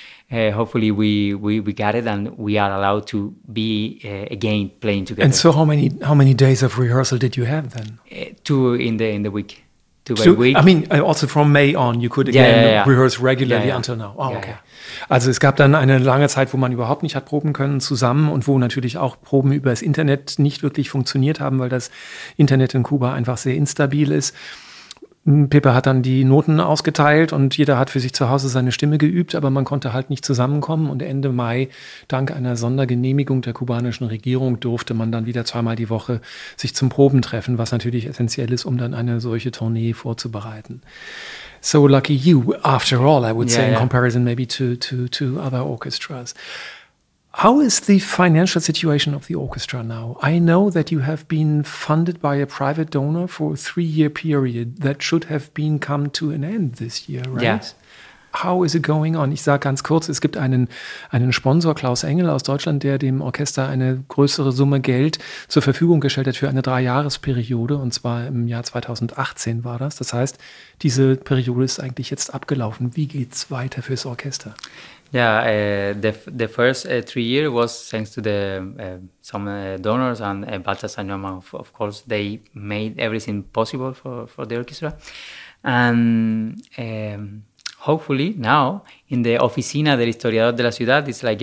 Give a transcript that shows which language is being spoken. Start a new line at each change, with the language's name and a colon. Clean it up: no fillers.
English: Hopefully we got it and we are allowed to be again playing together. And so how many days of rehearsal did you have then? Two by week. I mean, also from May on, you could again rehearse regularly until now. Oh, okay. Yeah.
German: Also es gab dann eine lange Zeit, wo man überhaupt nicht hat proben können zusammen und wo natürlich auch Proben über das Internet nicht wirklich funktioniert haben, weil das Internet in Kuba einfach sehr instabil ist. Pepe hat dann die Noten ausgeteilt und jeder hat für sich zu Hause seine Stimme geübt, aber man konnte halt nicht zusammenkommen. Und Ende Mai, dank einer Sondergenehmigung der kubanischen Regierung, durfte man dann wieder zweimal die Woche sich zum Proben treffen, was natürlich essentiell ist, um dann eine solche Tournee vorzubereiten.
English: So lucky you, after all, I would say, in comparison maybe to other orchestras. How is the financial situation of the orchestra now? I know that you have been funded by a private donor for a 3-year period that should have been come to an end this year, right? Yes. How is it going on?
German: Ich sage ganz kurz, es gibt einen Sponsor, Klaus Engel aus Deutschland, der dem Orchester eine größere Summe Geld zur Verfügung gestellt hat für eine 3-Jahres-Periode, und zwar im Jahr 2018 war das. Das heißt, diese Periode ist eigentlich jetzt abgelaufen. Wie geht's weiter fürs Orchester?
English: Yeah, the first 3 year was thanks to the some donors and Baltasar Neumann, of course. They made everything possible for the orchestra, and hopefully now in the Oficina del Historiador de la Ciudad, it's like